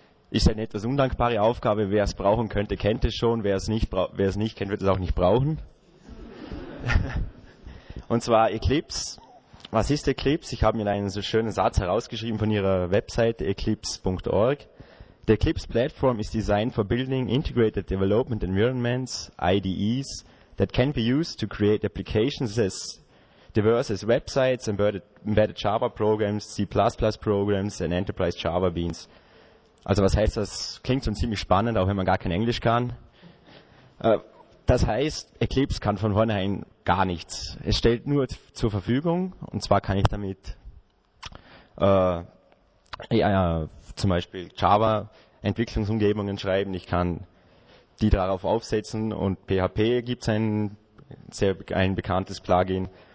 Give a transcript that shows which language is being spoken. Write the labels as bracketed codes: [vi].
[de] Ist eine etwas undankbare Aufgabe, wer es brauchen könnte, kennt es schon, wer es nicht kennt, wird es auch nicht brauchen. Und zwar Eclipse. Was ist Eclipse? Ich habe mir einen so schönen Satz herausgeschrieben von ihrer Website eclipse.org. [en] The Eclipse Platform is designed for building integrated development environments, IDEs, that can be used to create applications as diverse as websites, embedded Java programs, C++ programs and enterprise Java beans. [de] Also was heißt das? Klingt schon ziemlich spannend, auch wenn man gar kein Englisch kann. Das heißt, Eclipse kann von vornherein gar nichts. Es stellt nur zur Verfügung, und zwar kann ich damit zum Beispiel Java-Entwicklungsumgebungen schreiben, ich kann die darauf aufsetzen, und PHP gibt es ein bekanntes Plugin.